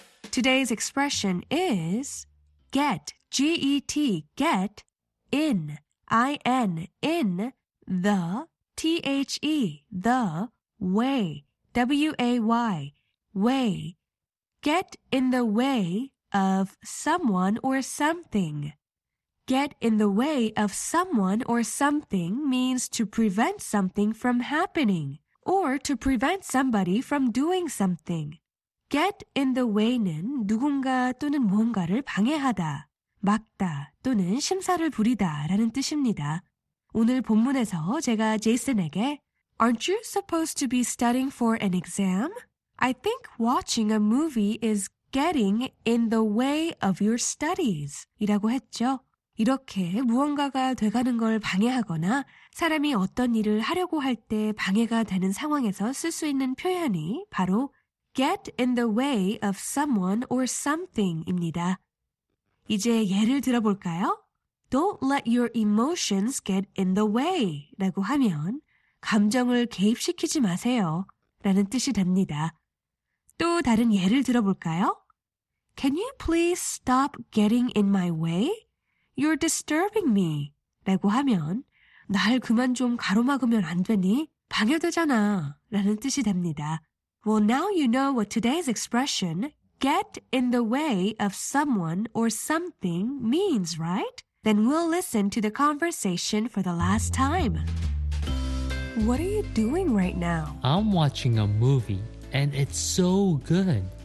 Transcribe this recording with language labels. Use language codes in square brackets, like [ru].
[en] Today's expression is get, G-E-T, get in, I-N, in the T-H-E, the, way, W-A-Y, way. Get in the way of someone or something. Get in the way of someone or something means to prevent something from happening or to prevent somebody from doing something. Get in the way [ko] 는 누군가 또는 무언가를 방해하다, 막다 또는 심사를 부리다 라는 뜻입니다. 오늘 본문에서 제가 제이슨에게 [en] Aren't you supposed to be studying for an exam? I think watching a movie is getting in the way of your studies. [ko] 이라고 했죠. 이렇게 무언가가 돼가는 걸 방해하거나 사람이 어떤 일을 하려고 할 때 방해가 되는 상황에서 쓸 수 있는 표현이 바로 [en] get in the way of someone or something [ko] 입니다. 이제 예를 들어볼까요? [en] Don't let your emotions get in the way [ko] 라고 하면 감정을 개입시키지 마세요 라는 뜻이 됩니다. 또 다른 예를 들어볼까요? [en] Can you please stop getting in my way? You're disturbing me [ko] 라고 하면 날 그만 좀 가로막으면 안 되니? 방해되잖아 라는 뜻이 됩니다. [en] Well, now you know what today's expression get in the way of someone or something means, right? Then we'll listen to the conversation for the last time. What are you doing right now? I'm watching a movie, and it's so good.